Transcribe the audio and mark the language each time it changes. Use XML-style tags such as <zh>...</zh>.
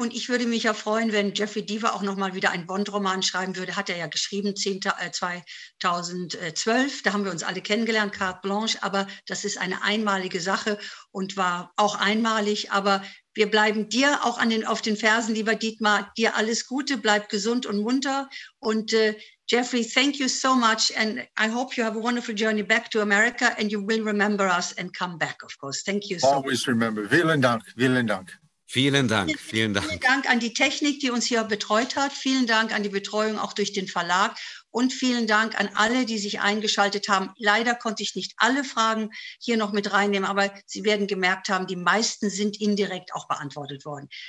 <de>Und ich würde mich ja freuen, wenn Jeffery Deaver auch nochmal wieder einen Bond-Roman schreiben würde. Hat er ja geschrieben, 2012. Da haben wir uns alle kennengelernt, Carte Blanche. Aber das ist eine einmalige Sache und war auch einmalig. Aber wir bleiben dir auch auf den Fersen, lieber Dietmar. Dir alles Gute, bleib gesund und munter. Und Jeffery,</de> <en>thank you so much. And I hope you have a wonderful journey back to America. And you will remember us and come back, of course. Thank you so much. Always remember.</en> <de>Vielen Dank, vielen Dank. Vielen Dank, vielen Dank. Vielen Dank an die Technik, die uns hier betreut hat. Vielen Dank an die Betreuung auch durch den Verlag. Und vielen Dank an alle, die sich eingeschaltet haben. Leider konnte ich nicht alle Fragen hier noch mit reinnehmen, aber Sie werden gemerkt haben, die meisten sind indirekt auch beantwortet worden.</de>